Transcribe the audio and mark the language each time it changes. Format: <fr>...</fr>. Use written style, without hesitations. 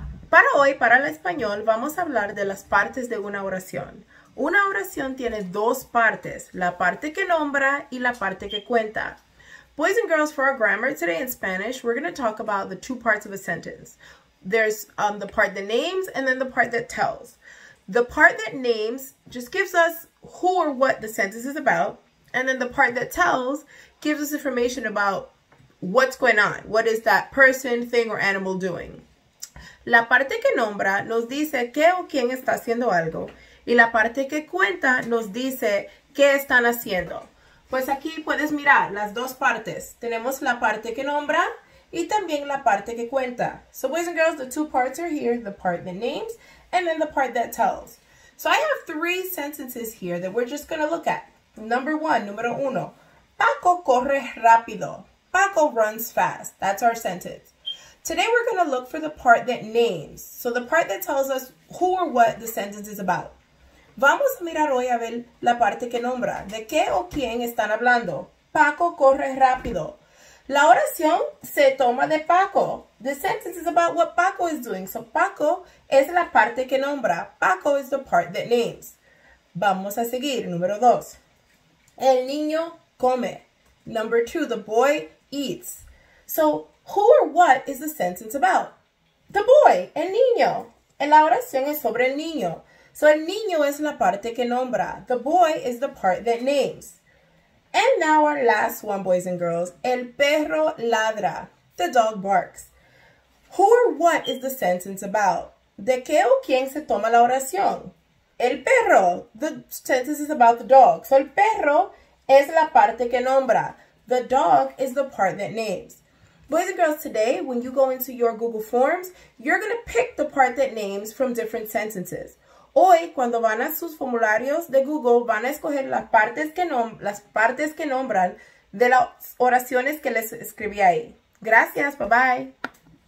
<es>Para hoy, para el español, vamos a hablar de las partes de una oración. Una oración tiene dos partes, la parte que nombra y la parte que cuenta.</es> <en>Boys and girls, for our grammar today in Spanish, we're going to talk about the two parts of a sentence. There's the part that names and then the part that tells. The part that names just gives us who or what the sentence is about, and then the part that tells gives us information about what's going on? What is that person, thing, or animal doing?</en> <es>La parte que nombra nos dice qué o quién está haciendo algo. Y la parte que cuenta nos dice qué están haciendo. Pues aquí puedes mirar las dos partes. Tenemos la parte que nombra y también la parte que cuenta.</es> <en>So boys and girls, the two parts are here. The part that names and then the part that tells. So I have three sentences here that we're just going to look at. Number one,</en> <es>número uno. Paco corre rápido.</es> <en>Paco runs fast. That's our sentence. Today we're going to look for the part that names. So the part that tells us who or what the sentence is about.</en> <es>Vamos a mirar hoy a ver la parte que nombra. ¿De qué o quién están hablando? Paco corre rápido. La oración se toma de Paco.</es> <en>The sentence is about what Paco is doing.</en> <es>So Paco es la parte que nombra.</es> <en>Paco is the part that names.</en> <es>Vamos a seguir. Número dos. El niño come.</es> <en>Number two, the boy eats. So, who or what is the sentence about? The boy,</en> <es>el niño. En la oración es sobre el niño. So, el niño es la parte que nombra.</es> <en>The boy is the part that names. And now our last one, boys and girls.</en> <es>El perro ladra.</es> <en>The dog barks. Who or what is the sentence about?</en> <es>¿De qué o quién se toma la oración? El perro.</es> <en>The sentence is about the dog. So,</en> <es>el perro es la parte que nombra.</es> <en>The dog is the part that names. Boys and girls, today, when you go into your Google Forms, you're going to pick the part that names from different sentences.</en> <es>Hoy, cuando van a sus formularios de Google, van a escoger las partes que nombran de las oraciones que les escribí ahí. Gracias. Bye-bye.</es>